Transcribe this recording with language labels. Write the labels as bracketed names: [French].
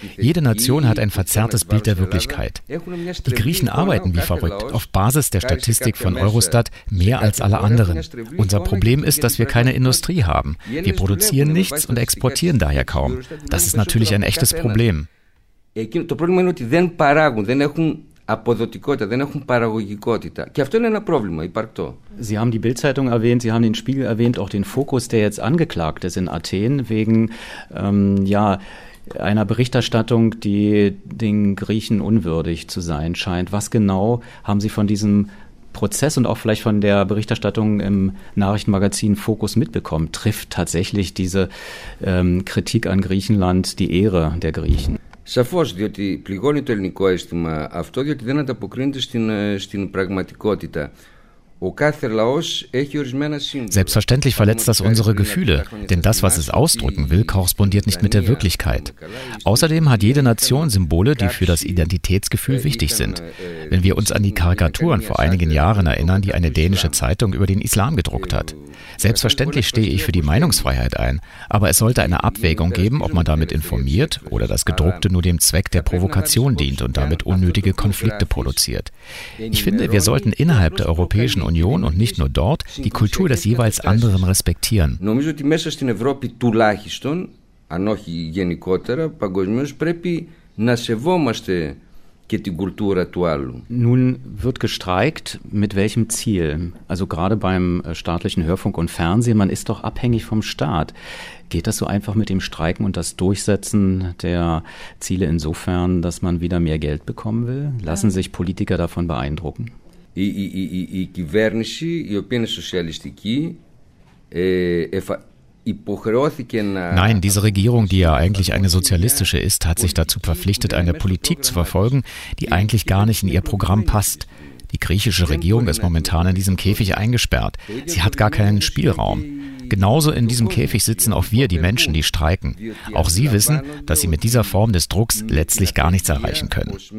[German] Jede Nation hat ein verzerrtes Bild der Wirklichkeit. Die Griechen arbeiten wie verrückt, auf Basis der Statistik von Eurostat mehr als alle anderen. Unser Problem ist, dass wir keine Industrie haben. Wir produzieren nichts und exportieren daher kaum. Das ist natürlich ein echtes Problem. Das Problem ist, dass sie nicht produzieren, sie haben [Greek] αποδοτικότητα, δεν έχουν παραγωγικότητα. Και αυτό είναι ένα πρόβλημα υπαρκτό. [German] Sie haben die Bild-Zeitung erwähnt, Sie haben den Spiegel erwähnt, auch den Fokus, der jetzt angeklagt ist in Athen, wegen einer Berichterstattung, die den Griechen unwürdig zu sein scheint. Was genau haben Sie von diesem Prozess und auch vielleicht von der Berichterstattung im Nachrichtenmagazin Fokus mitbekommen? Trifft tatsächlich diese Kritik an Griechenland die Ehre der Griechen? [Greek] Σαφώς, διότι πληγώνει το ελληνικό αίσθημα αυτό, διότι δεν ανταποκρίνεται στην πραγματικότητα. [German] Selbstverständlich verletzt das unsere Gefühle, denn das, was es ausdrücken will, korrespondiert nicht mit der Wirklichkeit. Außerdem hat jede Nation Symbole, die für das Identitätsgefühl wichtig sind. Wenn wir uns an die Karikaturen vor einigen Jahren erinnern, die eine dänische Zeitung über den Islam gedruckt hat. Selbstverständlich stehe ich für die Meinungsfreiheit ein, aber es sollte eine Abwägung geben, ob man damit informiert oder das Gedruckte nur dem Zweck der Provokation dient und damit unnötige Konflikte produziert. Ich finde, wir sollten innerhalb der Europäischen Union und nicht nur dort die Kultur des jeweils anderen respektieren. [Greek] Νομίζω ότι μέσα στην Ευρώπη τουλάχιστον, αν όχι γενικότερα, παγκοσμίως πρέπει να σεβόμαστε και την κουλτούρα του άλλου. [German] Nun wird gestreikt, mit welchem Ziel? Also gerade beim staatlichen Hörfunk und Fernsehen, man ist doch abhängig vom Staat. Geht das so einfach mit dem Streiken und das Durchsetzen der Ziele insofern, dass man wieder mehr Geld bekommen will? Lassen sich Politiker davon beeindrucken? [Greek] Η κυβέρνηση, η οποία είναι σοσιαλιστική, υποχρεώθηκε να... [German] Nein, diese Regierung, die ja eigentlich eine sozialistische ist, hat sich dazu verpflichtet, eine Politik zu verfolgen, die eigentlich gar nicht in ihr Programm passt. Die griechische Regierung ist momentan in diesem Käfig eingesperrt. Sie hat gar keinen Spielraum. Genauso in diesem Käfig sitzen auch wir, die Menschen, die streiken. Auch sie wissen, dass sie mit dieser Form des Drucks letztlich gar nichts erreichen können.